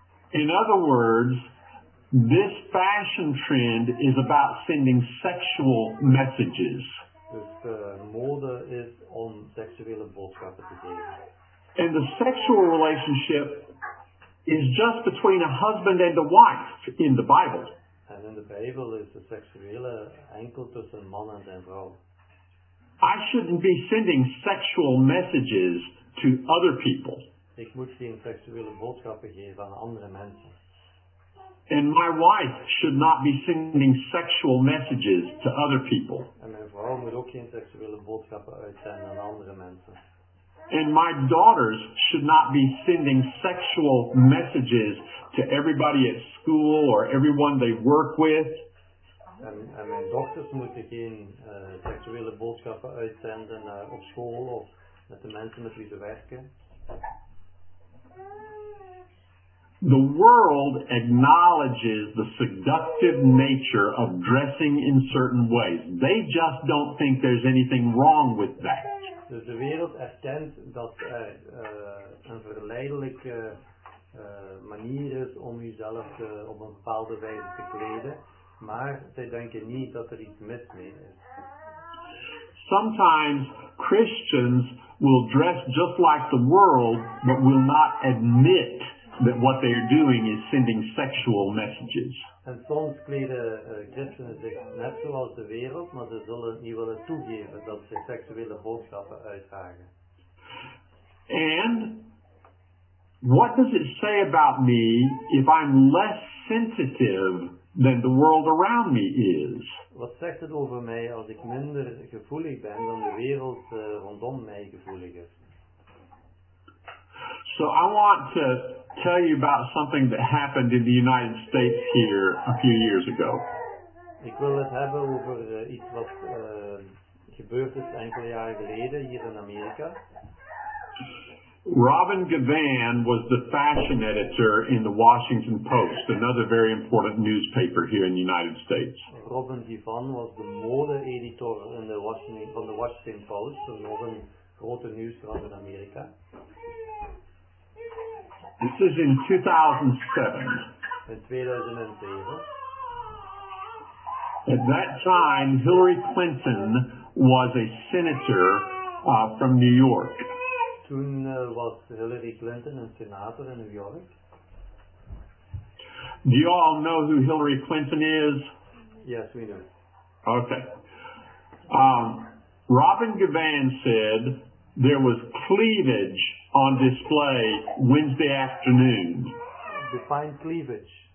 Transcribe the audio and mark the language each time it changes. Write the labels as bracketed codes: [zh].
[en] In other words, this fashion trend is about sending sexual messages. [nl] Dus de mode is om seksuele boodschappen te geven. [en] And the sexual relationship is just between a husband and a wife in the Bible. And in the Bible is the [nl] seksuele enkel tussen man en zijn vrouw. [en] I shouldn't be sending sexual messages to other people. [nl] Ik moet geen seksuele boodschappen geven aan andere mensen. [en] And my wife should not be sending sexual messages to other people. [nl] En mijn vrouw moet ook geen seksuele boodschappen uitzenden aan andere mensen. [en] And my daughters should not be sending sexual messages to everybody at school or everyone they work with. [nl] En mijn dochters moeten geen seksuele boodschappen uitzenden op school of met de mensen met wie ze werken. [en] The world acknowledges the seductive nature of dressing in certain ways. They just don't think there's anything wrong with that. [nl] Dus de wereld erkent dat er een verleidelijke manier is om jezelf op een bepaalde wijze te kleden, maar zij denken niet dat er iets mis mee is. [en] Sometimes Christians will dress just like the world, but will not admit that what they are doing is sending sexual messages. [nl] En soms kleden christenen zich net zoals de wereld, maar ze zullen niet willen toegeven dat ze seksuele boodschappen uitdragen. [en] And what does it say about me if I'm less sensitive than the world around me is? [nl] Wat zegt het over mij als ik minder gevoelig ben dan de wereld rondom mij gevoelig is? [en] So I want to tell you about something that happened in the United States here a few years ago. [nl] Ik wil het hebben over iets wat gebeurd is enkele jaren geleden hier in Amerika. [en] Robin Givhan was the fashion editor in the Washington Post, another very important newspaper here in the United States. [nl] Robin Givhan was de mode editor in the Washington van de Washington Post, een grote nieuwskrant in Amerika. [en] This is in 2007. [nl] In 2007. [en] At that time, Hillary Clinton was a senator from New York. [nl] Toen was Hillary Clinton een senator in New York. [en] Do you all know who Hillary Clinton is? Yes, we know. Okay. Robin Givhan said there was cleavage on display Wednesday afternoon. Define cleavage.